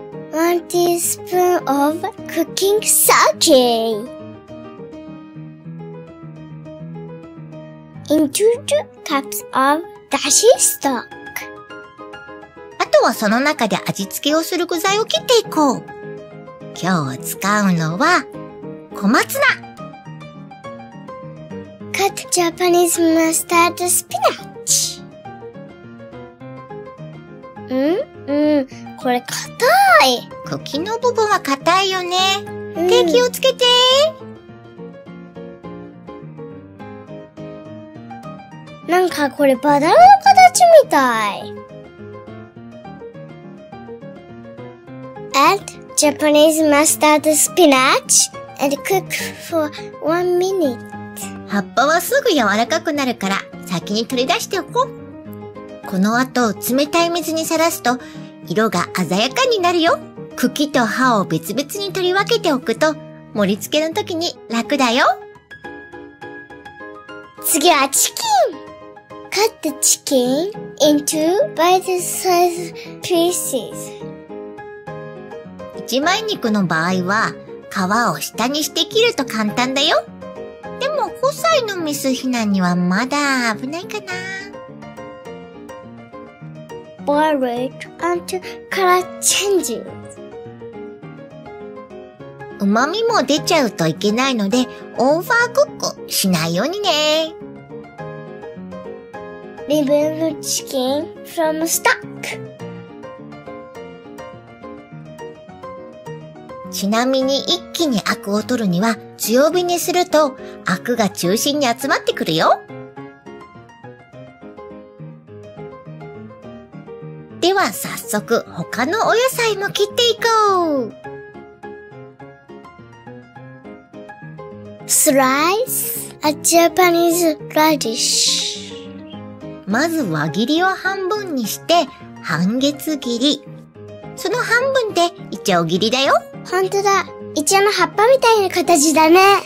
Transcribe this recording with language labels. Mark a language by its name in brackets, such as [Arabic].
[English] 1 teaspoon of cooking sake into 2 cups of dashi stock. [Japanese] あとはその中で味付けをする具材を切っていこう。今日使うのは小松菜。 [English] Cut Japanese mustard spinach. [Japanese] これ硬い。茎の部分は硬いよね。で、気をつけて。なんかこれバナナの形みたい。 [English] Add Japanese mustard spinach and cook for 1 minute. [Japanese] 葉っぱはすぐ柔らかくなるから先に取り出しておこう。この後冷たい水にさらすと色が鮮やかになるよ。茎と葉を別々に取り分けておくと、盛り付けの時に楽だよ。次はチキン。 [English] Cut the chicken into bite-sized pieces. [Japanese] 一枚肉の場合は、皮を下にして切ると簡単だよ。でも、5歳のメスヒナにはまだ危ないかな。 [English] Boil it until color changes. [Japanese] 旨味も出ちゃうといけないので、オーバークックしないようにね。 [English] Remove chicken from stock. [Japanese] ちなみに一気にアクを取るには強火にするとアクが中心に集まってくるよ。では早速他のお野菜も切っていこう。 [English] スライス、a Japanese radish。 [Japanese] まず輪切りを半分にして半月切り。その半分でイチョウ切りだよ。ほんとだ、イチョウの葉っぱみたいな形だね。